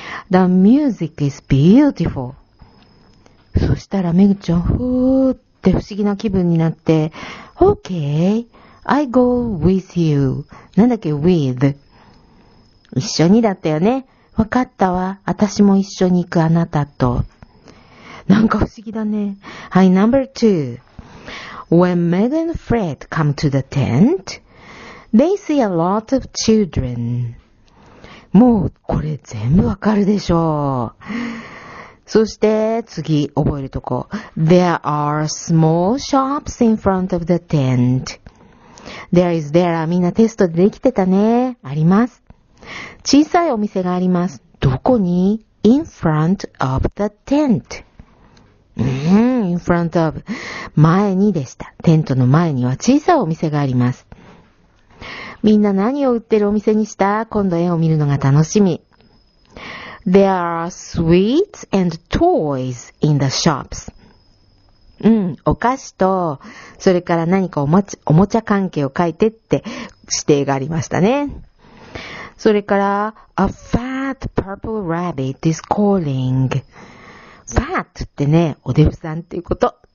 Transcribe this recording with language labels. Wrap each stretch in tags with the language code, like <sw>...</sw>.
<en>The music is beautiful.</en> <ja>そしたらメグちゃん、ふーって不思議な気分になって、</ja> <en>Okay, I go with you.</en> <ja>なんだっけ、with。一緒にだったよね。わかったわ。私も一緒に行くあなたと。なんか不思議だね。はい、</ja> <en>Number two. When Meg and Fred come to the tent, they see a lot of children.</en> <ja>もうこれ全部わかるでしょう。そして次覚えるとこ。</ja> <en>There are small shops in front of the tent. There is there.</en> <ja>みんなテストでできてたね。あります。小さいお店があります。どこに</ja> <en>?in front of the tent. in front of.</en> <ja>前にでした。テントの前には小さいお店があります。みんな何を売ってるお店にした? 今度絵を見るのが楽しみ。</ja> <en>There are sweets and toys in the shops.</en> <ja>うん、お菓子と、それから何かおもちゃ関係を書いてって指定がありましたね。それから、</ja> <en>A fat purple rabbit is calling.</en> <ja>Fat ってね、おデブさんっていうこと。</ja>